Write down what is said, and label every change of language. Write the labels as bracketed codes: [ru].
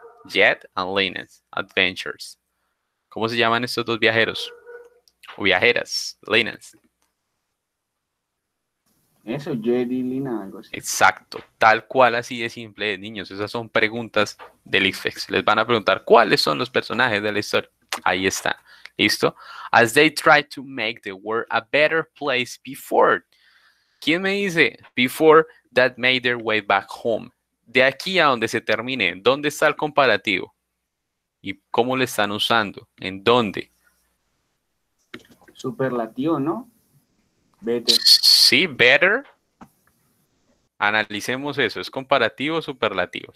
[es] Jet and Linus Adventures. ¿Cómo se llaman estos dos viajeros? O viajeras, Linus. Eso, Jerry Lina, algo así. Exacto, tal cual, así de simple, de niños. Esas son preguntas del ICFES. Les van a preguntar cuáles son los personajes de la historia. Ahí está, listo. [en] As they try to make the world a better place before. [es] ¿Quién me dice [en] before that made their way back home? [es] De aquí a donde se termine, ¿dónde está el comparativo? ¿Y cómo lo están usando? ¿En dónde? Superlativo, ¿no? Better. Sí, better. Analicemos eso, es comparativo o superlativo.